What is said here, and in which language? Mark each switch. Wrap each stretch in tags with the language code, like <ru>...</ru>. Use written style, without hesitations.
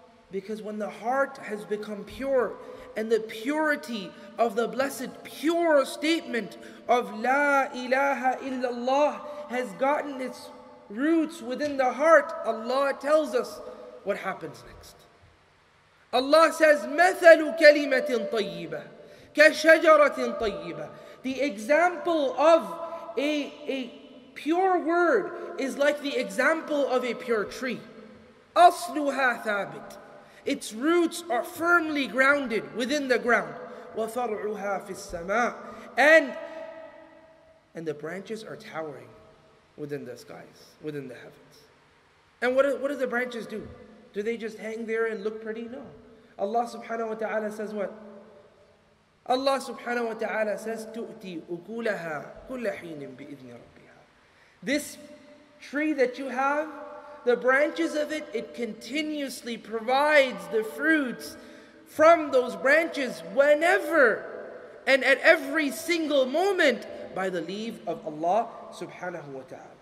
<en>Because when the heart has become pure, and the purity of the blessed pure statement of La ilaha illallah has gotten its roots within the heart, Allah tells us what happens next. Allah says,</en> <ar>مَثَلُ كَلِمَةٍ طَيِّبَةٍ كَشَجَرَةٍ طَيِّبَةٍ.</ar> <en>The example of a pure word is like the example of a pure tree.</en> <ar>أَصْلُهَا ثَابِتٍ.</ar> <en>Its roots are firmly grounded within the ground.</en> <ar>وَفَرْعُهَا فِي السَّمَاءِ.</ar> <en>And the branches are towering within the skies, within the heavens. And what do the branches do? Do they just hang there and look pretty? No. Allah subhanahu wa ta'ala says what? Allah subhanahu wa ta'ala says,</en> <ar>تُؤْتِي أُكُولَهَا كُلَّ حِينٍ بِإِذْنِ رَبِّهَا.</ar> <en>This tree that you have, the branches of it, it continuously provides the fruits from those branches whenever and at every single moment by the leave of Allah subhanahu wa ta'ala.</en>